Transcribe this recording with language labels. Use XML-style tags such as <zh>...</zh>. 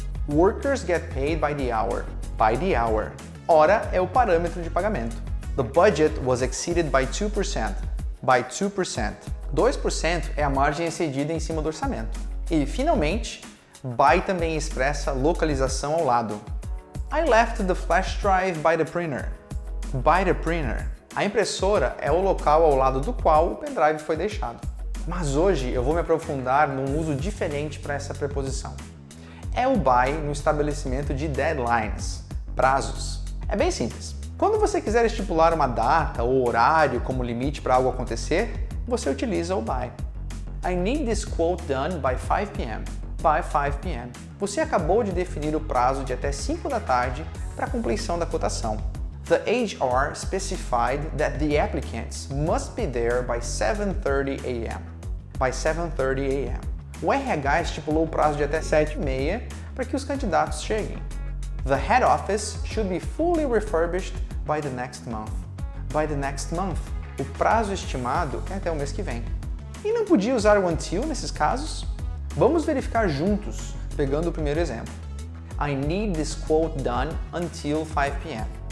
<en>Workers get paid by the hour. By the hour.</en> <pt>Hora é o parâmetro de pagamento.</pt> <en>The budget was exceeded by 2%. By 2%.</en> <pt>2% é a margem excedida em cima do orçamento. E, finalmente, by também expressa localização ao lado.</pt> <en>I left the flash drive by the printer. By the printer.</en> <pt>A impressora é o local ao lado do qual o pendrive foi deixado. Mas hoje eu vou me aprofundar num uso diferente para essa preposição. É o by no estabelecimento de deadlines, prazos. É bem simples. Quando você quiser estipular uma data ou horário como limite para algo acontecer, você utiliza o by.</pt> <en>I need this quote done by 5 p.m. By 5 p.m.</en> <pt>Você acabou de definir o prazo de até 5 da tarde para a completação da cotação.</pt> <en>The HR specified that the applicants must be there by 7:30 a.m. By 7:30 a.m.</en> <pt>O RH estipulou o prazo de até 7:30 para que os candidatos cheguem.</pt> <en>The head office should be fully refurbished by the next month. By the next month.</en> <pt>O prazo estimado é até o mês que vem. E não podia usar o until nesses casos? Vamos verificar juntos, pegando o primeiro exemplo.</pt> <en>I need this quote done until 5 p.m.</en>